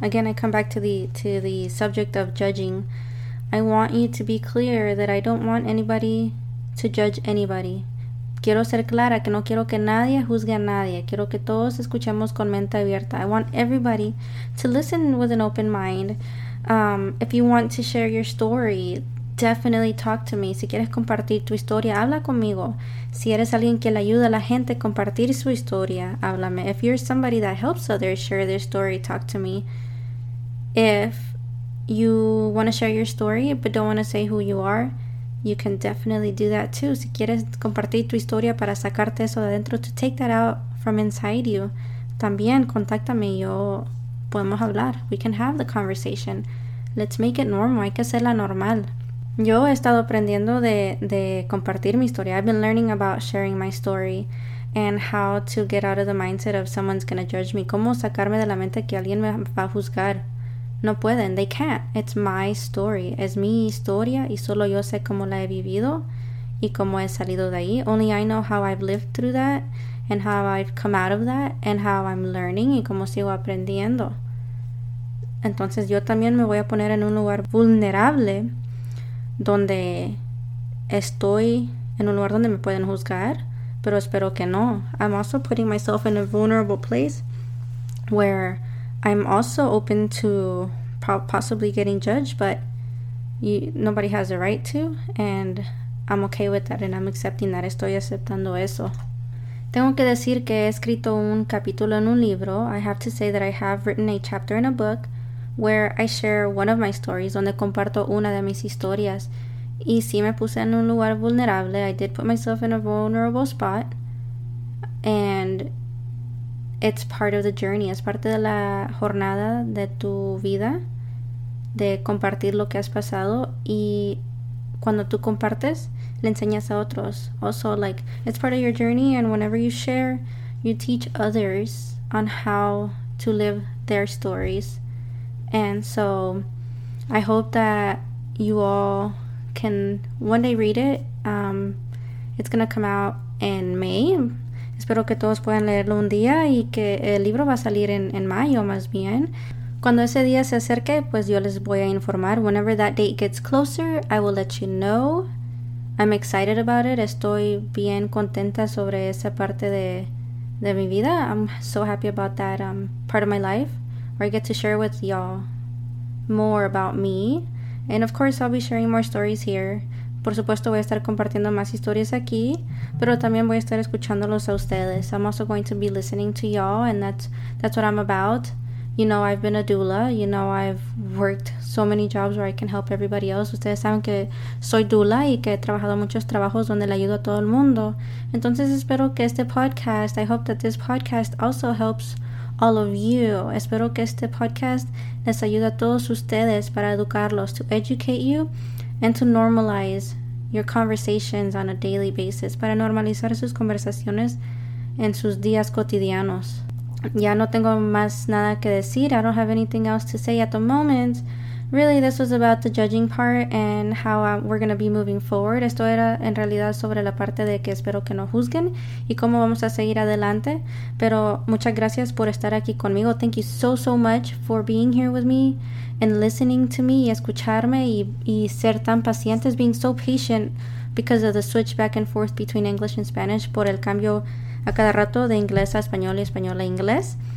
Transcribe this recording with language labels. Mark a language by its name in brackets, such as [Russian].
[English] Again, I come back to the subject of judging. I want you to be clear that I don't want anybody to judge anybody. [Spanish] Quiero ser clara que no quiero que nadie juzgue a nadie. Quiero que todos escuchemos con mente abierta. [English] I want everybody to listen with an open mind. If you want to share your story, definitely talk to me. [Spanish] Si quieres compartir tu historia, habla conmigo. Si eres alguien que le ayuda a la gente a compartir su historia, háblame. [English] If you're somebody that helps others share their story, talk to me. If you want to share your story but don't want to say who you are, you can definitely do that too. [Spanish] Si quieres compartir tu historia para sacarte eso de adentro, [English] to take that out from inside you, [Spanish] también contáctame y yo podemos hablar. [English] We can have the conversation. Let's make it normal. [Spanish] Hay que hacerla normal. Yo he estado aprendiendo de compartir mi historia. [English] I've been learning about sharing my story and how to get out of the mindset of someone's gonna judge me. [Spanish] Cómo sacarme de la mente que alguien me va a juzgar. No pueden, [English] they can't. It's my story. [Spanish] Es mi historia y solo yo sé cómo la he vivido y cómo he salido de ahí. [English] Only I know how I've lived through that and how I've come out of that and how I'm learning [Spanish] y cómo sigo aprendiendo. Entonces yo también me voy a poner en un lugar vulnerable donde estoy en un lugar donde me pueden juzgar, pero espero que no. [English] I'm also putting myself in a vulnerable place where I'm also open to possibly getting judged, but nobody has a right to, and I'm okay with that, and I'm accepting that. [Spanish] Estoy aceptando eso. Tengo que decir que he escrito un capítulo en un libro. [English] I have to say that I have written a chapter in a book where I share one of my stories, [Spanish] donde comparto una de mis historias. Y sí me puse en un lugar vulnerable. [English] I did put myself in a vulnerable spot, and it's part of the journey. [Spanish] Es parte de la jornada de tu vida de compartir lo que has pasado. Y cuando tú compartes, le enseñas a otros. [English] Also, like, it's part of your journey, and whenever you share, you teach others on how to live their stories. And so I hope that you all can one day read it. It's gonna come out in May. [Spanish] Espero que todos puedan leerlo un día y que el libro va a salir en mayo más bien. Cuando ese día se acerque, pues yo les voy a informar. [English] Whenever that date gets closer, I will let you know. I'm excited about it. [Spanish] Estoy bien contenta sobre esa parte de mi vida. [English] I'm so happy about that part of my life where I get to share with y'all more about me. And of course, I'll be sharing more stories here. [Spanish] Por supuesto, voy a estar compartiendo más historias aquí, pero también voy a estar escuchándolos a ustedes. [English] I'm also going to be listening to y'all, and that's what I'm about. You know, I've been a doula. You know, I've worked so many jobs where I can help everybody else. [Spanish] Ustedes saben que soy doula y que he trabajado muchos trabajos donde le ayudo a todo el mundo. Entonces, espero que este podcast, [English] I hope that this podcast also helps all of you. [Spanish] Espero que este podcast les ayude a todos ustedes para educarlos, [English] to educate you and to normalize your conversations on a daily basis, [Spanish] para normalizar sus conversaciones en sus días cotidianos. Ya no tengo más nada que decir. [English] I don't have anything else to say at the moment. Really, this was about the judging part and how we're going to be moving forward. [Spanish] Esto era en realidad sobre la parte de que espero que no juzguen y cómo vamos a seguir adelante. Pero muchas gracias por estar aquí conmigo. [English] Thank you so, so much for being here with me and listening to me [Spanish] y escucharme y ser tan pacientes, [English] being so patient because of the switch back and forth between English and Spanish, [Spanish] por el cambio a cada rato de inglés a español y español a inglés.